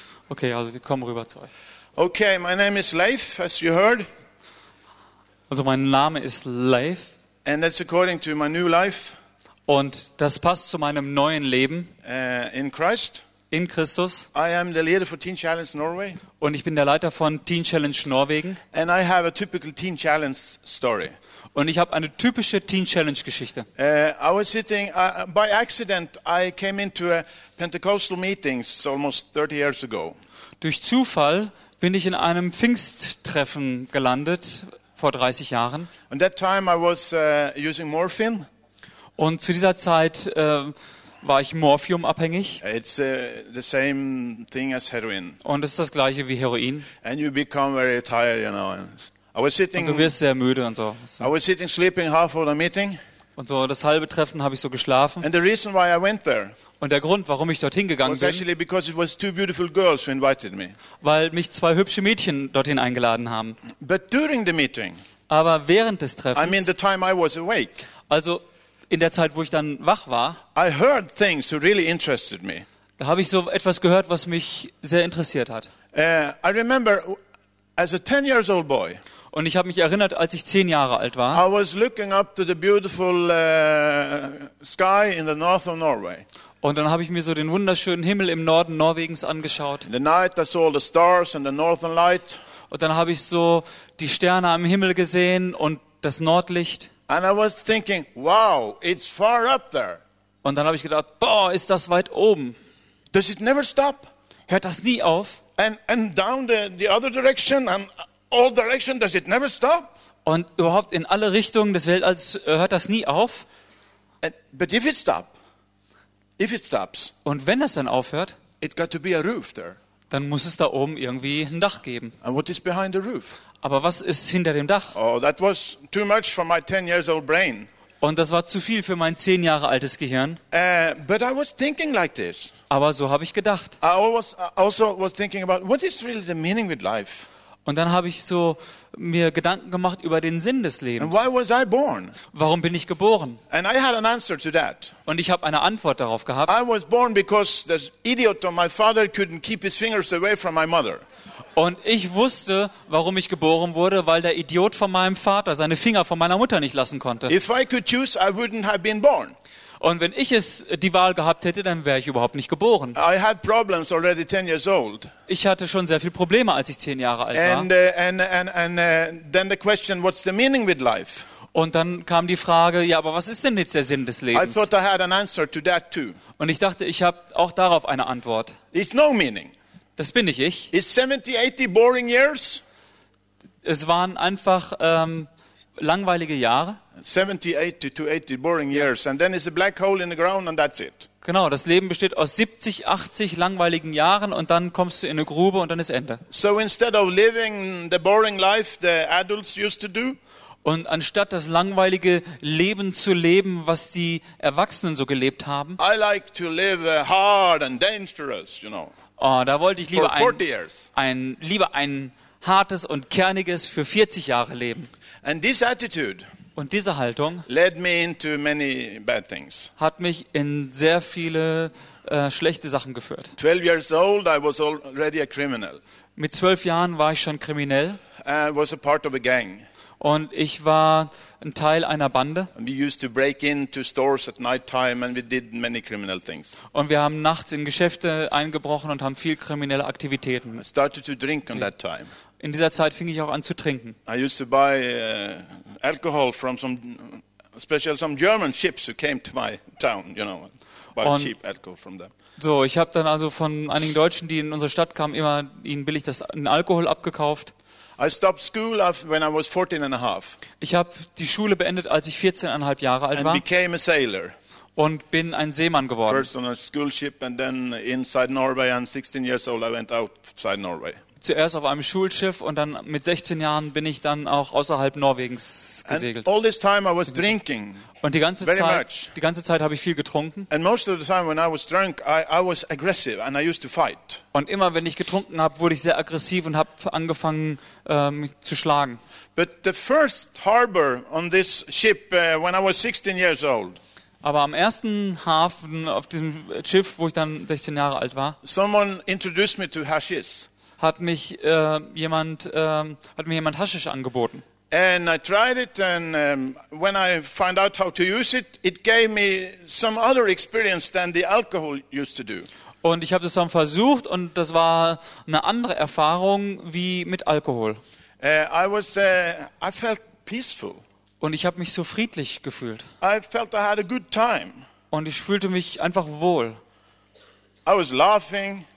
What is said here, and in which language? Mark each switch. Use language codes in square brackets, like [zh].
[de] Okay, also wir kommen rüber zu euch. [en] Okay, my name is Leif, as you heard. [de] Also mein Name ist Leif. [en] And that's according to my new life. [de] Und das passt zu meinem neuen Leben. [en] In Christ. [de] In Christus. [en] I am the leader for Teen Challenge Norway. [de] Und ich bin der Leiter von Teen Challenge Norwegen. [en] And I have a typical Teen Challenge story. [de] Und ich habe eine typische Teen Challenge Geschichte. [en] I was sitting by accident I came into a Pentecostal meeting almost 30 years ago. [de] Durch Zufall bin ich in einem Pfingsttreffen gelandet vor 30 Jahren. [en] And that time I was using morphine. [de] Und zu dieser Zeit war ich Morphium abhängig. [en] It's the same thing as heroin. [de] Und es ist das gleiche wie Heroin. [en] And you become very tired, you know. I was sitting, [de] und du wirst sehr müde und so. [en] I was sitting sleeping half of the meeting. [de] Und so das halbe Treffen habe ich so geschlafen. [en] And the reason why I went there. [de] Und der Grund, warum ich dorthin gegangen bin, [en] was actually because it was two beautiful girls who invited me. [de] Weil mich zwei hübsche Mädchen dorthin eingeladen haben. [en] But during the meeting. [de] Aber während des Treffens. [en] I mean the time I was awake. [de] Also in der Zeit, wo ich dann wach war. [en] I heard things that really interested me. [de] Da habe ich so etwas gehört, was mich sehr interessiert hat. [en] I remember as a 10 years old boy. [de] Und ich habe mich erinnert, als ich 10 Jahre alt war. [en] I was looking up to the beautiful sky in the north of Norway. [de] Und dann habe ich mir so den wunderschönen Himmel im Norden Norwegens angeschaut. [en] The night I saw the stars and the northern light. [de] Und dann habe ich so die Sterne am Himmel gesehen und das Nordlicht. [en] And I was thinking, wow, it's far up there. [de] Und dann habe ich gedacht, boah, ist das weit oben. [en] Does it never stop? [de] Hört das nie auf? [en] And down the other direction and all direction, does it never stop? [de] Und überhaupt in alle Richtungen des Weltalls hört das nie auf? [en] But if it stops, if it stops. [de] Und wenn das dann aufhört? [en] It got to be a roof there. [de] Dann muss es da oben irgendwie ein Dach geben. [en] And what is behind the roof? [de] Aber was ist hinter dem Dach? [en] Oh, that was too much for my 10 years old brain. [de] Und das war zu viel für mein 10 Jahre altes Gehirn. [en] But I was thinking like this. [de] Aber so habe ich gedacht. [en] I also was thinking about what is really the meaning with life. [de] Und dann habe ich so mir Gedanken gemacht über den Sinn des Lebens. [en] And why was I born? [de] Warum bin ich geboren? [en] And I had an answer to that. [de] Und ich habe eine Antwort darauf gehabt. [en] I was born because the idiot of my father couldn't keep his fingers away from my mother. [de] Und ich wusste, warum ich geboren wurde, weil der Idiot von meinem Vater seine Finger von meiner Mutter nicht lassen konnte. [en] If I could choose, I wouldn't have been born. [de] Und wenn ich es die Wahl gehabt hätte, dann wäre ich überhaupt nicht geboren. [en] I had problems already 10 years old. [de] Ich hatte schon sehr viele Probleme, als ich 10 Jahre alt war. [en] And then the question, what's the meaning with life? [de] Und dann kam die Frage, ja, aber was ist denn jetzt der Sinn des Lebens? [en] I thought I had an answer to that too. [de] Und ich dachte, ich habe auch darauf eine Antwort. [en] It's no meaning. [de] Das bin nicht ich. [en] Is 70, 80 boring years? [de] Es waren einfach langweilige Jahre. [en] 70, 80 to 80 boring years, and then is a black hole in the ground, and that's it. [de] Genau, das Leben besteht aus 70, 80 langweiligen Jahren, und dann kommst du in eine Grube, und dann ist Ende. [en] So instead of living the boring life the adults used to do. [de] Und anstatt das langweilige Leben zu leben, was die Erwachsenen so gelebt haben. [en] I like to live hard and dangerous, you know. [de] Oh, da wollte ich lieber ein hartes und kerniges für 40 Jahre leben. [en] And this attitude [de] und diese Haltung [en] led me into many bad things. [de] Hat mich in sehr viele schlechte Sachen geführt. [en] 12 years old, I was already a criminal. [de] Mit 12 Jahren war ich schon kriminell. [en] I was a part of a gang. [de] Und ich war ein Teil einer Bande. [en] We used to break into stores at night time and we did many criminal things. [de] Und wir haben nachts in Geschäfte eingebrochen und haben viel kriminelle Aktivitäten. [en] I started to drink on that time. [de] In dieser Zeit fing ich auch an zu trinken. [en] I used to buy alcohol from some German ships who came to my town, you know. Und cheap alcohol from them. [de] So, ich habe dann also von einigen Deutschen, die in unsere Stadt kamen, immer ihnen billig den Alkohol abgekauft. [en] I stopped school when I was 14 and a half. [de] Ich habe die Schule beendet, als ich 14,5 Jahre alt war. [en] And became a sailor. [de] Und bin ein Seemann geworden. [en] First on a school ship and then inside Norway. And 16 years old, I went outside Norway. [de] Zuerst auf einem Schulschiff und dann mit 16 Jahren bin ich dann auch außerhalb Norwegens gesegelt. [en] And all this time I was drinking. [de] Und die ganze Zeit habe ich viel getrunken. [en] And most of the time when I was drunk, I was aggressive and I used to fight. [de] Und immer wenn ich getrunken habe, wurde ich sehr aggressiv und habe angefangen zu schlagen. [en] But the first harbor on this ship when I was 16 years old. [de] Aber am ersten Hafen auf diesem Schiff, wo ich dann 16 Jahre alt war. [en] Someone introduced me to hashish. [de] Hat mir jemand Haschisch angeboten. [en] And I tried it and when I found out how to use it, it gave me some other experience than the alcohol used to do. [de] Und ich habe es dann versucht und das war eine andere Erfahrung wie mit Alkohol. [en] I felt peaceful. [de] Und ich habe mich so friedlich gefühlt. [en] I felt I had a good time. [de] Und ich fühlte mich einfach wohl. [en] I was laughing.